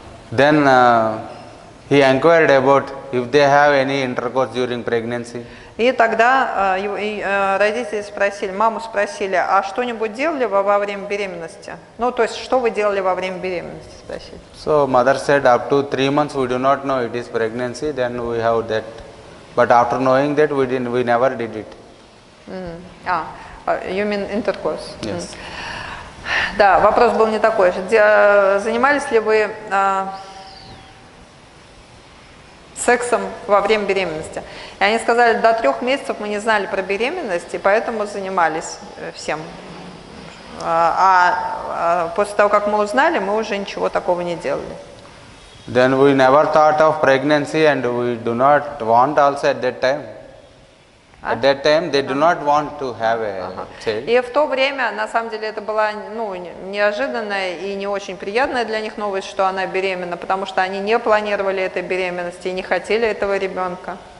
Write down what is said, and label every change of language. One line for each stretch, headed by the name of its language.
English: Then he inquired about if they have any intercourse during pregnancy.
Russian: И тогда родители спросили, маму спросили, а что-нибудь делали во время беременности? Ну, то есть, что вы делали во время беременности, спросили.
English: So, mother said, up to 3 months we do not know it is pregnancy, then we have that. But after knowing that, we never did it. You mean intercourse? Yes. Mm.
Russian: Да, вопрос был не такой. Занимались ли вы сексом во время беременности? И они сказали, до 3 месяцев мы не знали про беременность, и поэтому занимались всем. А после того, как мы узнали, мы уже ничего такого не делали.
English: Then we never thought of pregnancy, and we do not want also at that time. At that time they do not want to have a child.
Russian: И в то время, на самом деле, это была неожиданная и не очень приятная для них новость, что она беременна, потому что они не планировали этой беременности и не хотели этого ребенка.